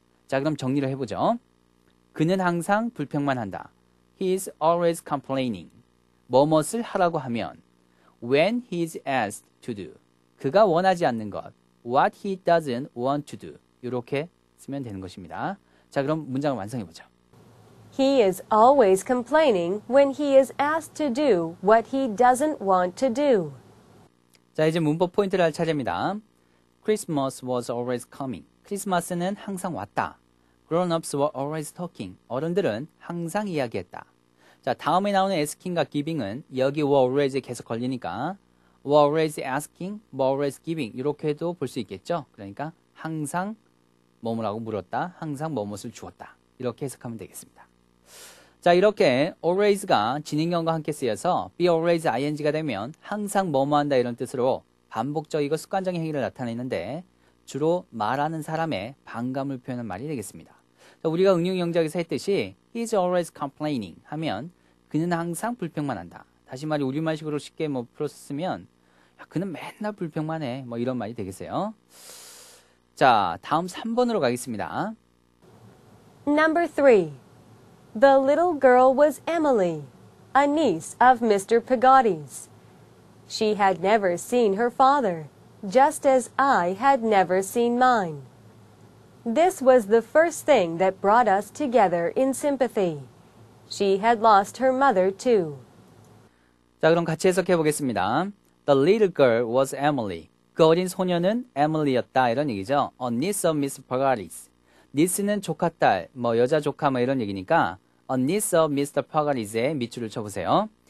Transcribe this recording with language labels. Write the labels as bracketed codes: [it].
[ko] 자, 그럼 정리를 해보죠. 그는 항상 불평만 한다. [en] He is always complaining. [ko] 뭐뭐를 하라고 하면 [en] when he is asked to do [ko] 그가 원하지 않는 것 [en] what he doesn't want to do [ko] 이렇게 쓰면 되는 것입니다. 자, 그럼 문장을 완성해보죠. [en] He is always complaining when he is asked to do what he doesn't want to do. [ko] 자, 이제 문법 포인트를 할 차례입니다. [en] Christmas was always coming. [ko] 크리스마스는 항상 왔다. [en] Grown-ups were always talking. [ko] 어른들은 항상 이야기했다. 자, 다음에 나오는 asking과 giving은 여기 [en] were always [ko] 계속 걸리니까 [en] We're always asking, we're always giving. [ko] 이렇게도 볼 수 있겠죠? 그러니까 항상 뭐뭐라고 물었다, 항상 뭐뭐를 주었다. 이렇게 해석하면 되겠습니다. 자, 이렇게 always가 진행형과 함께 쓰여서 be always ing가 되면 항상 뭐뭐한다 이런 뜻으로 반복적이고 습관적인 행위를 나타내는데 주로 말하는 사람의 반감을 표현한 말이 되겠습니다. 자, 우리가 응용 영작에서 했듯이 [en] he's always complaining [ko] 하면 그는 항상 불평만 한다. 다시 말해 우리말식으로 쉽게 뭐 풀어서 쓰면 야, 그는 맨날 불평만 해. 뭐 이런 말이 되겠어요. 자, 다음 3번으로 가겠습니다. [en] Number 3. The little girl was Emily, a niece of Mr. Peggotty's. She had never seen her father, just as I had never seen mine. This was the first thing that brought us together in sympathy. She had lost her mother too. [ko] 자, 그럼 같이 해석해 보겠습니다. [en] The little girl was Emily. [ko] 그 어린 소녀는 Emily였다. 이런 얘기죠. [en] A niece of Miss Peggotty's. [ko] niece는 조카 딸, 뭐 여자 조카 뭐 이런 얘기니까 [en] A niece of Mr. [ko] Peggotty's에 밑줄을 쳐보세요.